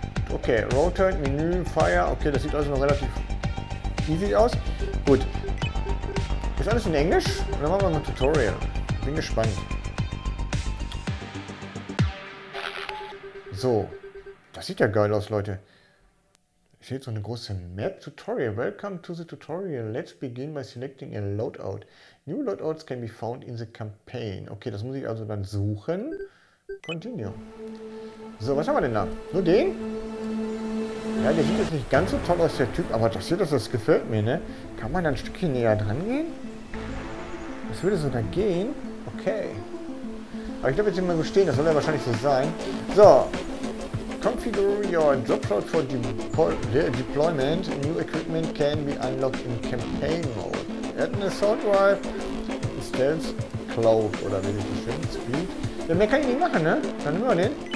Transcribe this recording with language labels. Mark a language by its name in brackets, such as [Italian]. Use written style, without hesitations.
[German] Okay, Rotate, Menü, Fire, okay, das sieht also noch relativ easy aus. Gut. Ist alles in Englisch? Dann machen wir mal ein Tutorial. Bin gespannt. So. Das sieht ja geil aus, Leute. Ich sehe jetzt so eine große Map. [English] Tutorial. Welcome to the tutorial. Let's begin by selecting a loadout. New loadouts can be found in the campaign. [German] Okay, das muss ich also dann suchen. Continue. So, was haben wir denn da? Nur den? Ja, der sieht jetzt nicht ganz so toll aus, der Typ, aber das sieht aus, das gefällt mir, ne? Kann man da ein Stückchen näher dran gehen? Was würde so da gehen? Okay. Aber ich glaube, jetzt sind wir so stehen, das soll ja wahrscheinlich so sein. So. [English] Configure your drop cloud for deployment. New equipment can be unlocked in campaign mode. Add an assault drive. [German] Stealth cloud, oder wie ich das schön speed. Ja, mehr kann ich nicht machen, ne? Dann nehmen wir den.